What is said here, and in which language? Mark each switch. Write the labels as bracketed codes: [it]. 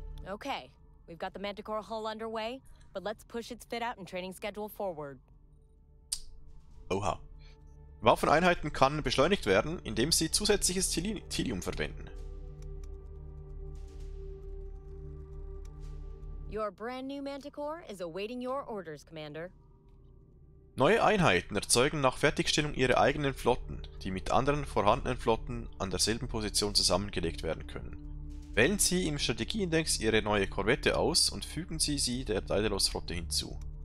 [en] Okay, we've got the Manticore hull underway, but let's push its fit out and training schedule forward. Oha. [de] Waffeneinheiten kann beschleunigt werden, indem sie zusätzliches Tilium verwenden. [en] Your brand new Manticore is awaiting your orders, Commander. [de] Neue Einheiten erzeugen nach Fertigstellung ihre eigenen Flotten, die mit anderen vorhandenen Flotten an derselben Position zusammengelegt werden können. Wählen Sie im Strategieindex Ihre neue Korvette aus und fügen Sie sie der Daedalus-Flotte hinzu.